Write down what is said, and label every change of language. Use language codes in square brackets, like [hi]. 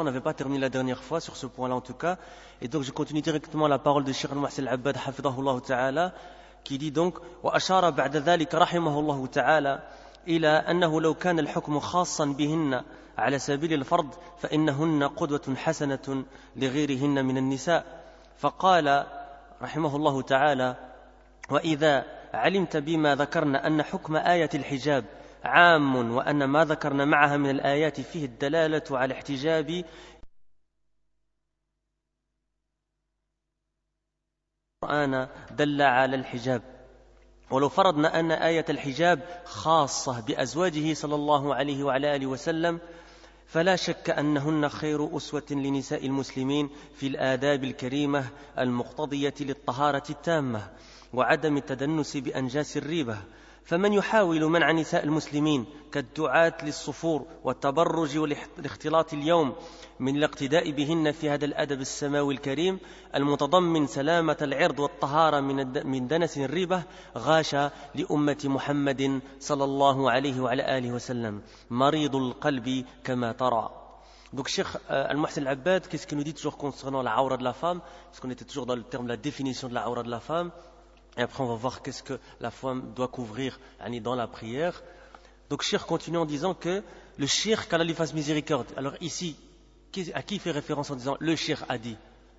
[fr] On n'avait pas terminé la dernière fois sur ce point-là, en tout cas. Et donc je continue directement la parole de Cheikh Al-Muhsin Al-Abbad, hafidhahullah ta'ala, qui dit donc: [ar] wa ashara ba'da dhalika rahimahullah ta'ala ila annahu law kana al-hukm khassan bihinna على سبيل الفرض فإنهن قدوة حسنة لغيرهن من النساء. فقال رحمه الله تعالى: وإذا علمت بما ذكرنا أن حكم آية الحجاب عام، وأن ما ذكرنا معها من الآيات فيه الدلالة على احتجاب القرآن دل على الحجاب، ولو فرضنا أن آية الحجاب خاصة بأزواجه صلى الله عليه وعلى آله وسلم، فلا شك أنهن خير أسوة لنساء المسلمين في الآداب الكريمة المقتضية للطهارة التامة وعدم التدنس بأنجاس الريبة. فمن يحاول منع نساء المسلمين كالدعاة للصفور والتبرج والاختلاط اليوم من الاقتداء بهن في هذا الأدب السماوي الكريم المتضمن سلامة العرض والطهارة من دنس الريبة غاش لأمة محمد صلى الله عليه وعلى آله وسلم مريض القلب كما ترى. [fr] Donc Cheikh Al-Muhsin Al-Abbad, qu'est-ce qu'il nous dit toujours concernant l'aura de la femme? Parce qu'on était toujours dans le terme de la définition de l'aura de la femme. Et après, on va voir qu'est-ce que la femme doit couvrir dans la prière. Donc, Cheikh continue en disant que le Cheikh, qu'Allah lui fasse miséricorde. Alors ici, à qui il fait référence en disant « le Cheikh a dit » ?